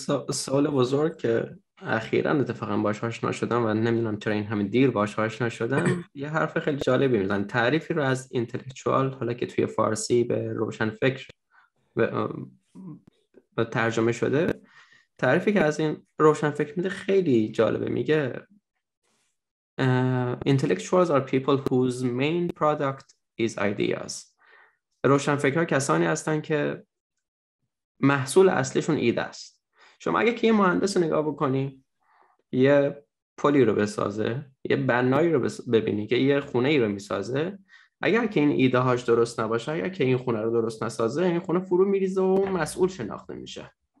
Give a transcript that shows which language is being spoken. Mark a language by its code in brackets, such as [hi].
[fa] سوال بزرگ که اخیراً اتفاقا باش آشنا شدم و نمیدونم چرا این همه دیر باش آشنا شدم، یه حرف خیلی جالبی میزنن، تعریفی رو از اینتלקچوال، حالا که توی فارسی به روشن فکر و ترجمه شده، تعریفی که از این روشن فکر میده خیلی جالبه. میگه [en] intellectuals are people whose main product is ideas. [fa] روشن فکرها کسانی هستن که محصول اصلیشون ایده است. شما اگه که یه مهندس رو نگاه بکنی، یه پلی رو بسازه، یه بنایی رو ببینی که یه خونه ای رو میسازه، اگر که این ایده هاش درست نباشه، اگر که این خونه رو درست نسازه، این خونه فرو میریزه و مسئول شناخته میشه.